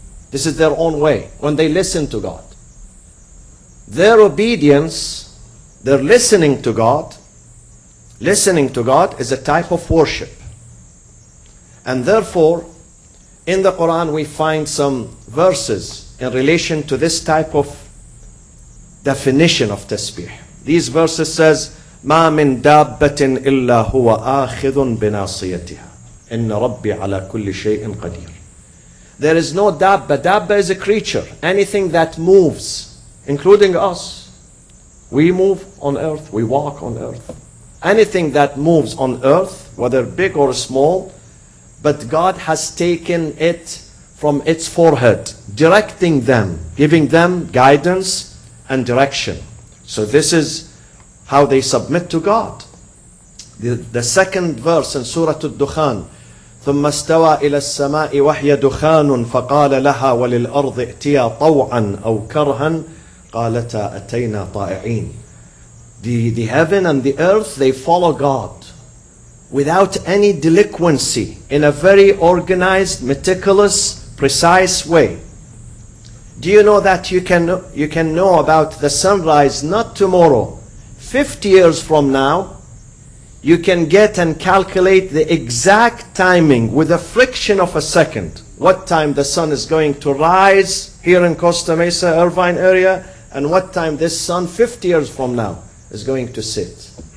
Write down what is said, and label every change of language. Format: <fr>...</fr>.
<en>This is their own way when they listen to God. Their obedience, their listening to God is a type of worship. And therefore, in the Quran, we find some verses in relation to this type of definition of tasbih.</en> <ar>These verses says, مَا مِن دَابَّةٍ إِلَّا هُوَ آخِذٌ بِنَاصِيَتِهَا إِنَّ رَبِّي عَلَى كُلِّ شَيْءٍ قَدِيرٌ.</ar> <en>There is no dabba. Dabba is a creature. Anything that moves, including us. We move on earth. We walk on earth. Anything that moves on earth, whether big or small, but God has taken it from its forehead, directing them, giving them guidance and direction. So this is how they submit to God.</en> <ar>The second verse in Surah Al-Dukhan, ثُمَّ اسْتَوَى إِلَى السَّمَاءِ وَحْيَ دُخَانٌ فَقَالَ لَهَا وَلِلْأَرْضِ اِتِيَا طَوْعًا أَوْ كَرْهًا قَالَتَا أَتَيْنَا طَائِعِينَ.</ar> <en>The heaven and the earth, they follow God without any delinquency, in a very organized, meticulous, precise way. Do you know that you can know about the sunrise not tomorrow, 50 years from now, you can get and calculate the exact timing with a fraction of a second, what time the sun is going to rise here in Costa Mesa, Irvine area, and what time this sun 50 years from now is going to set.</en>